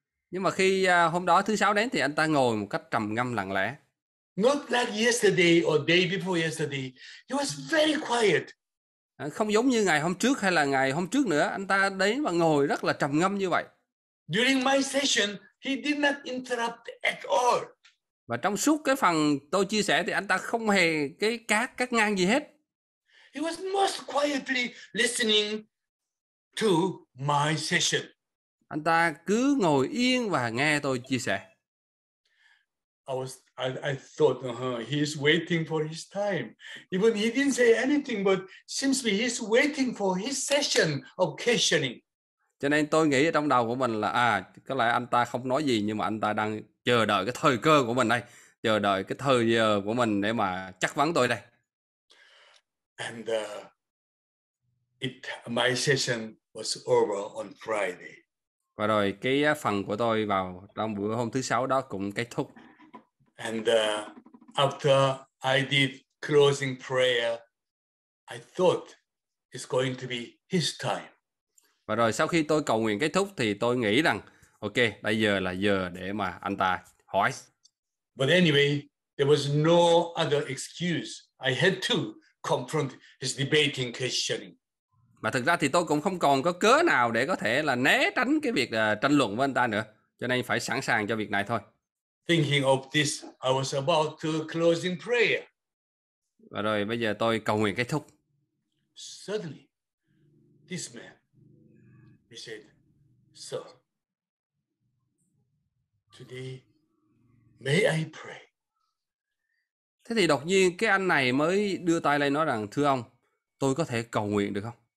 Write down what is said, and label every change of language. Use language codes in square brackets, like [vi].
[vi] Nhưng mà khi hôm đó thứ sáu đến thì anh ta ngồi một cách trầm ngâm lặng lẽ. [en] Not like yesterday or day before yesterday. He was very quiet. [vi] Không giống như ngày hôm trước hay là ngày hôm trước nữa, anh ta đến và ngồi rất là trầm ngâm như vậy. [en] During my session, he did not interrupt at all. [vi] Và trong suốt cái phần tôi chia sẻ thì anh ta không hề cắt ngang gì hết. [en] He was most quietly listening to my session. [vi] Anh ta cứ ngồi yên và nghe tôi chia sẻ. [en] I thought he's waiting for his time. Even he didn't say anything, but seems to be he's waiting for his session of questioning. [vi] Cho nên tôi nghĩ trong đầu của mình là có lẽ anh ta không nói gì, nhưng mà anh ta đang chờ đợi cái thời cơ của mình đây, chờ đợi cái thời giờ của mình để mà chất vấn tôi đây. [en] And my session was over on Friday. [vi] Và rồi cái phần của tôi vào trong bữa hôm thứ sáu đó cũng kết thúc. [en] And after I did closing prayer, I thought it's going to be his time. [vi] Và rồi sau khi tôi cầu nguyện kết thúc thì tôi nghĩ rằng, ok, bây giờ là giờ để mà anh ta hỏi. [en] But anyway, there was no other excuse. I had to confront his debating questioning. [vi] Mà thực ra thì tôi cũng không còn có cớ nào để có thể là né tránh cái việc tranh luận với anh ta nữa. Cho nên phải sẵn sàng cho việc này thôi. [en] Thinking of this, I was about to closing prayer. [vi] Và rồi bây giờ tôi cầu nguyện kết thúc. [en] Suddenly, this man, he said, "Sir, today, may I pray?" [vi] Thế thì đột nhiên cái anh này mới đưa tay lên nói rằng, "Thưa ông, tôi có thể cầu nguyện được không?"